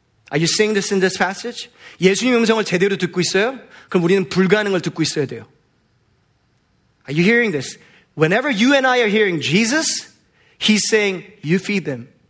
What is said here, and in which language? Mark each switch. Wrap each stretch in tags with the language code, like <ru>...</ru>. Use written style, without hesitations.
<en>Are you seeing this in this passage?</en> <ko>예수님 음성을 제대로 듣고 있어요? 그럼 우리는 불가능을 듣고 있어야 돼요.</ko> <en>Are you hearing this? Whenever you and I are hearing Jesus, he's saying, you feed them.</en>